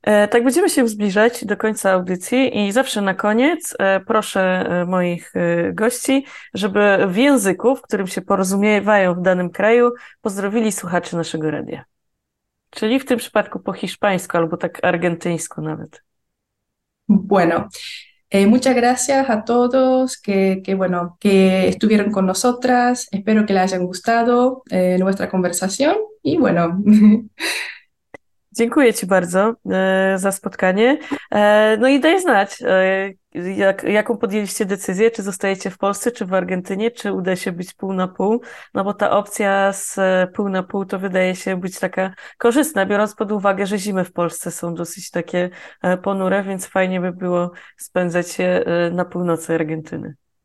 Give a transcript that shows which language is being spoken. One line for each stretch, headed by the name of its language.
Polish: Tak, będziemy się zbliżać do końca audycji i zawsze na koniec proszę moich gości, żeby w języku, w którym się porozumiewają w danym kraju, pozdrowili słuchaczy naszego radia. Czyli w tym przypadku po hiszpańsku albo tak argentyńsku nawet.
Spanish: Bueno, muchas gracias a todos que bueno que estuvieron con nosotras. Espero que les hayan gustado nuestra conversación y bueno.
Polish: Dziękuję Ci bardzo za spotkanie. No i daj znać, jaką podjęliście decyzję, czy zostajecie w Polsce, czy w Argentynie, czy uda się być pół na pół, no bo ta opcja z pół na pół to wydaje się być taka korzystna, biorąc pod uwagę, że zimy w Polsce są dosyć takie ponure, więc fajnie by było spędzać się na północy Argentyny.